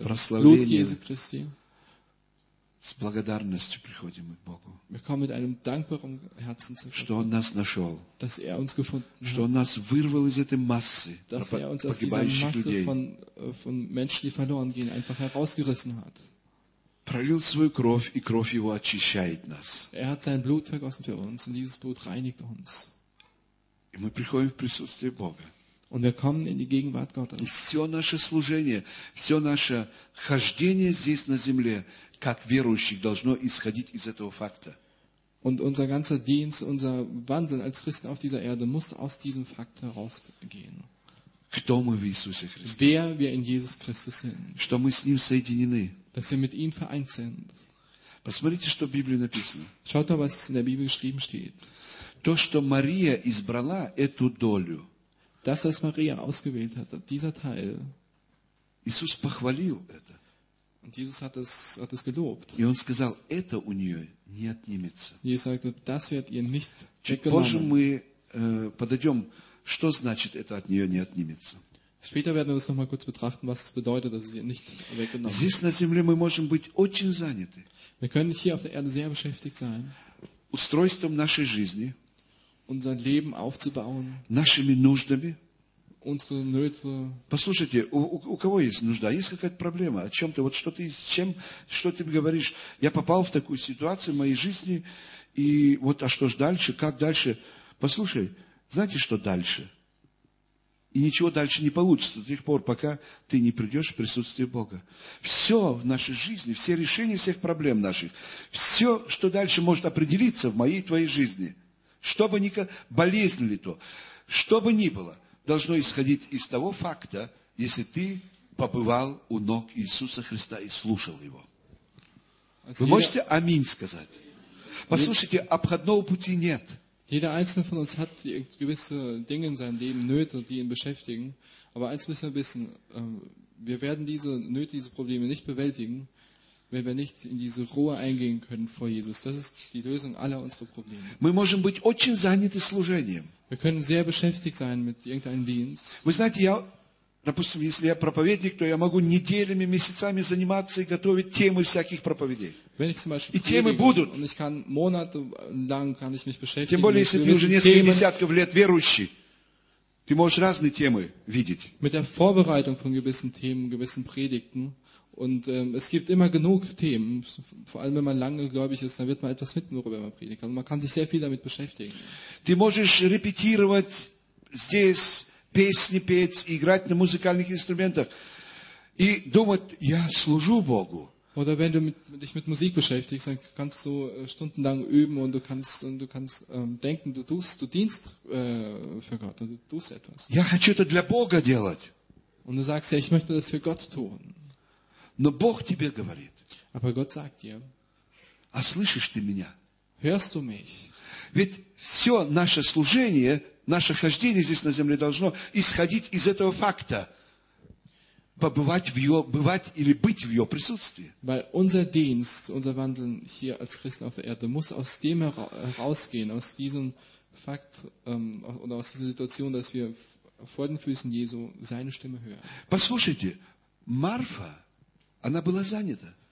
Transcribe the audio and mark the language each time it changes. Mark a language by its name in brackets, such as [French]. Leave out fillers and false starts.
[Russian] Прославление. [German] Blut Jesu Christi. [Russian] С благодарностью приходим мы к Богу. [German] Wir kommen mit einem dankbaren Herzen zu Gott. [Russian] Что Он нас нашел. [German] Dass er uns gefunden hat. [Russian] Что Он нас вырвал из этой массы. [German] Dass er uns aus dieser Masse von Menschen, die verloren gehen, einfach herausgerissen hat. [Russian] Пролил свою кровь, и кровь его очищает нас. [German] Er hat sein Blut vergossen für uns, und dieses Blut reinigt uns. [Russian] И мы приходим в присутствие Бога. [German] Und wir kommen in die Gegenwart Gottes. [Russian] И все наше служение, все наше хождение здесь на земле, как верующих должно исходить из этого факта. [German] Und unser ganzer Dienst, unser Wandeln als Christen auf dieser Erde muss aus diesem Fakt herausgehen. [Russian] Кто мы в Иисусе Христе? [German] Wer wir in Jesus Christus sind. [Russian] Что мы с ним соединены? [German] Dass wir mit ihm vereint sind. [Russian] Посмотрите, что в Библии написано. [German] Schaut doch, was in der Bibel geschrieben steht. [Russian] То, что Мария избрала эту долю. [German] Das, was Maria ausgewählt hat, dieser Teil. [Russian] Иисус похвалил это. [German] Und Jesus hat es gelobt. [Russian] И он сказал, это у нее не отнимется. [German] Jesus sagte, das wird ihr nicht weggenommen. [Russian] Позже мы подойдем, что значит это от нее не отнимется. [German] Später werden wir das nochmal kurz betrachten, was es bedeutet, dass es ihr nicht weggenommen wird. [Russian] Здесь на земле мы можем быть очень заняты. [German] Wir können hier auf der Erde sehr beschäftigt sein. [Russian] Устройством нашей жизни. [German] Unser Leben aufzubauen. [Russian] Нашими нуждами. [German] Unsere Nöte. [Russian] Послушайте, у кого есть нужда? Есть какая-то проблема? О чем ты? Вот что ты, с чем, что ты говоришь? Я попал в такую ситуацию в моей жизни, и вот, а что ж дальше? Как дальше? Послушай, знаете, что дальше? И ничего дальше не получится до тех пор, пока ты не придешь в присутствие Бога. Все в нашей жизни, все решения всех проблем наших, все, что дальше может определиться в моей и твоей жизни, что бы ни болезнь ли то, что бы ни было, должно исходить из того факта, если ты побывал у ног Иисуса Христа и слушал Его. Вы можете аминь сказать? Послушайте, обходного пути нет. [German] Jeder einzelne von uns hat gewisse Dinge in seinem Leben, Nöte, die ihn beschäftigen. Aber eins müssen wir wissen, wir werden diese Nöte, diese Probleme nicht bewältigen, wenn wir nicht in diese Ruhe eingehen können vor Jesus. Das ist die Lösung aller unserer Probleme. [Russian] Мы можем быть очень заняты служением. [German] Wir können sehr beschäftigt sein mit irgendeinem Dienst. [Russian] Вы знаете, я, допустим, если я проповедник, то я могу неделями, месяцами заниматься и готовить темы всяких проповедей. [German] Wenn ich zum Beispiel [Russian] и темы будут. [German] Und ich kann monatelang kann ich mich beschäftigen. [Russian] Тем более, если ты уже несколько десятков лет верующий, ты можешь разные темы видеть. [German] Mit der Vorbereitung von gewissen Themen, gewissen Predigten. Und es gibt immer genug Themen, vor allem wenn man lange gläubig ist, dann wird man etwas finden, worüber man predigen kann. Und man kann sich sehr viel damit beschäftigen. [Russian] Ты можешь репетировать здесь, песни петь, играть на музыкальных инструментах и думать, я служу Богу. [German] Oder wenn du dich mit Musik beschäftigst, dann kannst du stundenlang üben und du kannst denken, du dienst für Gott und du tust etwas. [Russian] Я хочу это для Бога делать. [German] Und du sagst ja, ich möchte das für Gott tun. [Russian] Но Бог тебе говорит. [German] Aber Gott sagt dir. [Russian] А слышишь ты меня? [German] Hörst du mich? [Russian] Ведь все наше служение, наше хождение здесь на земле должно исходить из этого факта. Бывать или быть в Его присутствии. [German] Weil unser Dienst, unser Wandeln hier als Christen auf der Erde muss aus dem herausgehen, aus diesem Fakt oder aus dieser Situation, dass wir vor den Füßen Jesu seine Stimme hören. [Russian] Послушайте, Марфа, она была занята.